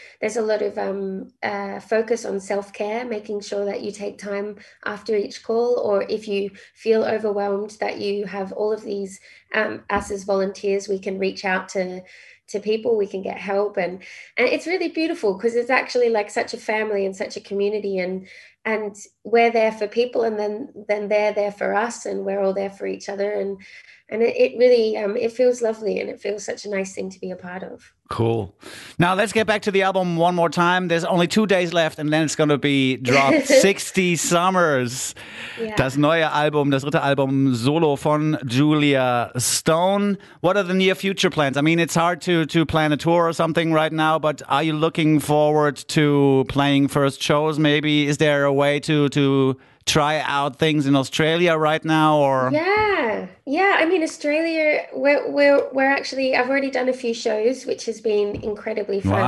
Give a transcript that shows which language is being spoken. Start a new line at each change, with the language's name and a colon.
English: There's a lot of focus on self-care, making sure that you take time after each call, or if you feel overwhelmed, that you have all of these us as volunteers, we can reach out to people, we can get help, and it's really beautiful, because it's actually like such a family and such a community, and we're there for people, and then they're there for us, and we're all there for each other, And it really, it feels lovely, and it feels such a nice thing to be a part of. Cool. Now let's get back to the album one more time. There's only 2 days left and then it's going to be dropped. 60 Summers. Yeah.
German: Das neue Album, das dritte Album solo von Julia Stone.
English: What are the near future plans? I mean, it's hard to plan a tour or something right now, but are you looking forward to playing first shows maybe? Is there a way to try out things in Australia right now, or yeah I mean, Australia, we're actually, I've already done a few shows, which has been incredibly fun.